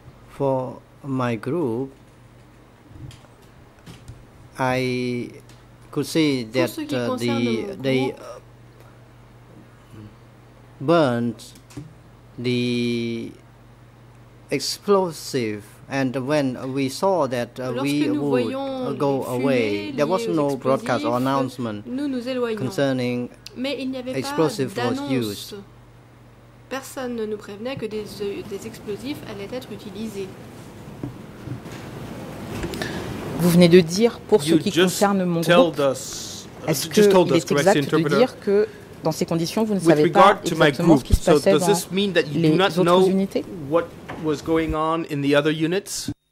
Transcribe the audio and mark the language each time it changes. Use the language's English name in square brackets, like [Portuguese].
[English] For my group, I could see that they burned the explosive, and when we saw that we would go away, there was no broadcast or announcement concerning explosive was used. [French] Personne ne nous prévenait que des explosifs allaient être utilisés. Vous venez de dire, pour ce qui concerne mon groupe, est-ce qu'il est exact de dire que, dans ces conditions, vous ne savez pas exactement ce qui se passait dans les autres unités? [English] What was going on in the other units?